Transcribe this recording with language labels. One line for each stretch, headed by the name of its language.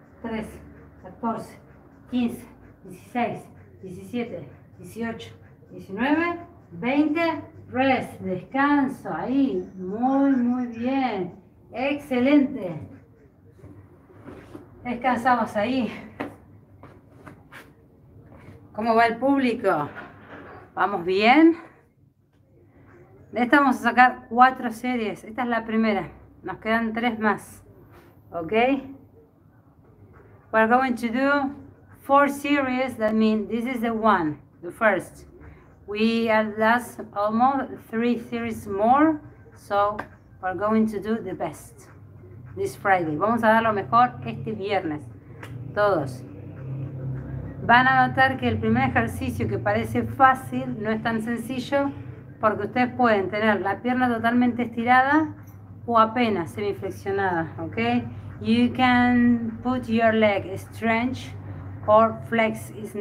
Spanish: 13, 14, 15, 16, 17, 18, 19, 20,
English: rest,
Spanish: descanso, ahí, muy, muy bien, excelente, descansamos ahí. ¿Cómo va el público? ¿Vamos bien? De esta vamos a sacar 4 series, esta es la primera, nos quedan 3 más, ¿ok?
English: We're going to do 4 series, that means this is the one, the first. We are last almost 3 series more, so we're going to do the best this Friday.
Spanish: Vamos a dar lo mejor este viernes, todos. Van a notar que el primer ejercicio que parece fácil no es tan sencillo porque ustedes pueden tener la pierna totalmente estirada o apenas semiflexionada, ¿ok?
English: You can put your leg stretch or flex.